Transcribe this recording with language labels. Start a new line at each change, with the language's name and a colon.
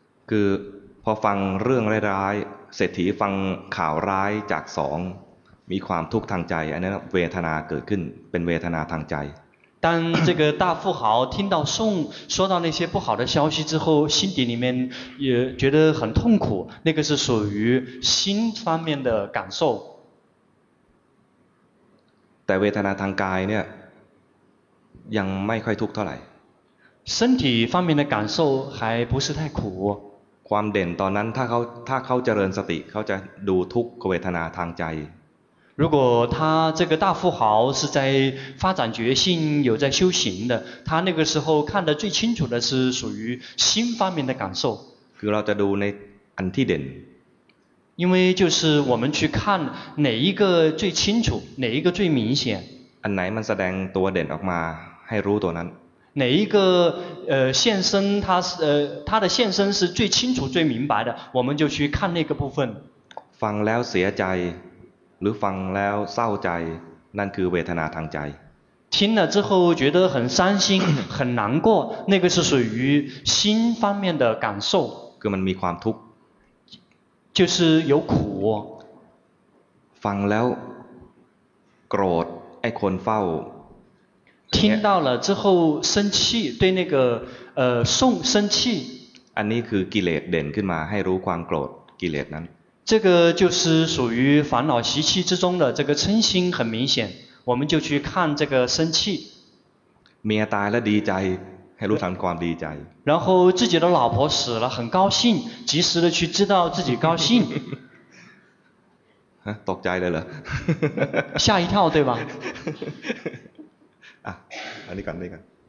Thai: คือพอฟังเรื่องร้ายๆสติฟังข่าวร้ายจากสองมีความทุกข์ทางใจอันนั้นเวทนาเกิดขึ้นเป็นเวทนาทางใจ
Chinese: 当这个大富豪听到宋说到那些不好的消息之后心底里面也觉得很痛苦那个是属于心方面的感受
Thai: แต่เวทนาทางกายเนี่ยยังไม่ค่อยทุกข์เท่าไหร่
Chinese: 身体方面的感受还不是太苦
Thai: ความเด่นตอนนั้นถ้าเขาเจริญสติเขาจะดูทุกขเวทนาทางใจ
Chinese: 如果他这个大富豪是在发展觉性有在修行的他那个时候看得最清楚的是属于心方面的感受
Thai: คือเราจะดูในอันที่เด่น
Chinese: 因为就是我们去看哪一个最清楚哪一个最明显
Thai: อันไหนมันแสดงตัวเด่นออกมาให้รู้ตัวนั้น
Chinese: 哪一个现身他的现身是最清楚最明白的我们就去看那个部分
Thai: ฟังแล้วเสียใจหรือฟังแล้วเศร้าใจนั่นคือเวทนาทางใจ
Chinese: 听了之后觉得很伤心很难过那个是属于心方面的感受
Thai: คือมันมีความทุกข์
Chinese: 就是有苦
Thai: ฟังแล้วโกรธไอ้คนเฝ้า
Chinese: 听到了之后生气对那个送生气
Thai: อันนี้คือกิเลสเด่นขึ้นมาให้รู้ความโกรธกิเลสนั้น
Chinese: 这个就是属于烦恼习气之中的这个嗔心很明显我们就去看这个生气
Thai: เมียตายแล้วดีใจให้รู้ทันความดีใจ
Chinese: 然后自己的老婆死了很高兴及时的去知道自己高兴
Thai: ตกใจเลยเหร
Chinese: อ吓一跳对吧
Thai: อ่ะอันนี้ก่อนนี่ก่อน